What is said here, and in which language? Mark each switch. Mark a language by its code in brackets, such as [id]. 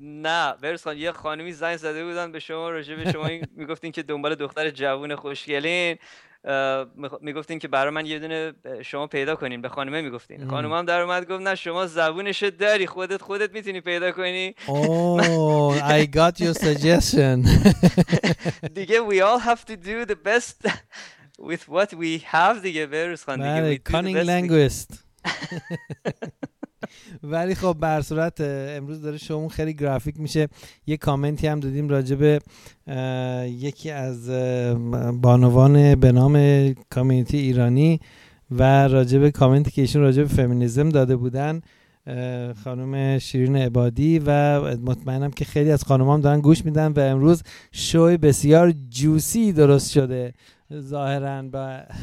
[fa] نه بروز خان، یه خانمی زنگ زده بودن به شما، راجبه شما میگفتین که دنبال دختر جوون خوشگلین، میگفتین که برای من یه دونه شما پیدا کنین، به خانومه میگفتین. خانومه هم در اومد گفت نه شما زبونش داری، خودت میتونی پیدا کنی. [en] اوه I got your suggestion. دیگه we all have to do the best with what we have. [fa] دیگه بروز خان دیگه [en] cunning linguist. [fa] ولی خب بر صورت امروز داره شما خیلی گرافیک میشه. یه کامنتی هم دادیم راجب یکی از بانوان به نام کامیونیتی ایرانی و راجب کامنتی که ایشون راجب فمینیزم داده بودن، خانم شیرین عبادی، و مطمئنم که خیلی از خانوم هم دارن گوش میدن و امروز شوی بسیار جوسی درست شده ظاهرن با